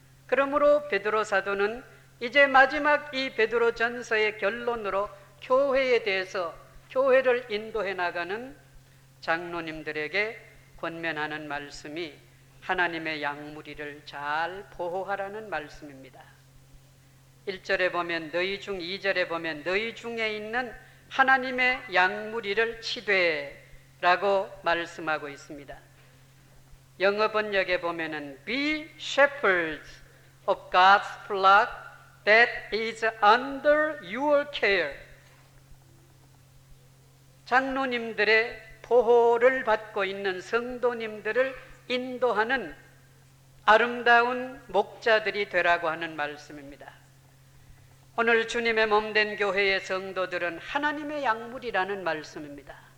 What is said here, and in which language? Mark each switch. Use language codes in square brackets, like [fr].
[ko] 그러므로 베드로 사도는 이제 마지막 이 베드로 전서의 결론으로 교회에 대해서 교회를 인도해 나가는 장로님들에게 권면하는 말씀이 하나님의 양무리를 잘 보호하라는 말씀입니다. 1절에 보면 너희 중 2절에 보면 너희 중에 있는 하나님의 양무리를 치되라고 말씀하고 있습니다. 영어 번역에 보면은 [en] Be shepherds of God's flock that is under your care. [ko] 장로님들의 보호를 받고 있는 성도님들을 인도하는 아름다운 목자들이 되라고 하는 말씀입니다. 오늘 주님의 몸된 교회의 성도들은 하나님의 양물이라는 말씀입니다.